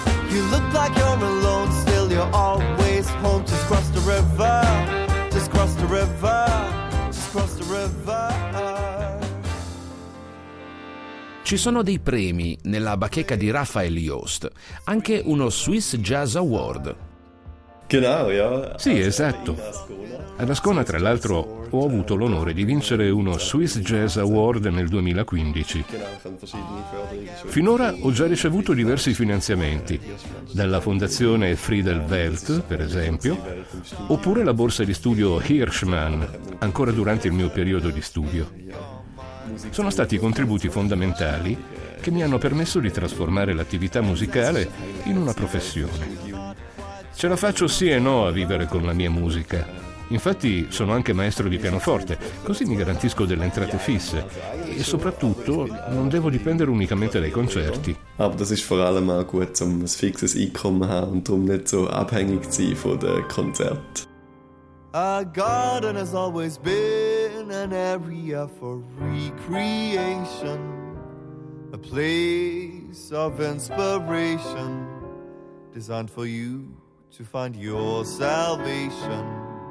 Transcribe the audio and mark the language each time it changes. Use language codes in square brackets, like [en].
[en] You look like you're alone, still you're always home. Just cross the river, just cross the river, just cross the river. [it] Ci sono dei premi nella bacheca di Raphael Jost, anche uno Swiss Jazz Award. Sì, esatto. Ad Ascona, tra l'altro, ho avuto l'onore di vincere uno Swiss Jazz Award nel 2015. Finora ho già ricevuto diversi finanziamenti, dalla Fondazione Friedel Welt, per esempio, oppure la borsa di studio Hirschmann, ancora durante il mio periodo di studio. Sono stati contributi fondamentali che mi hanno permesso di trasformare l'attività musicale in una professione. Ce la faccio sì e no a vivere con la mia musica. Infatti sono anche maestro di pianoforte, così mi garantisco delle entrate fisse e soprattutto non devo dipendere unicamente dai concerti. [de] Aber das ist vor allem auch gut, um ein fixes Einkommen haben und darum nicht so abhängig zu sein von den Konzerten. [en] A garden has always been an area for recreation, a place of inspiration, designed for you to find your salvation.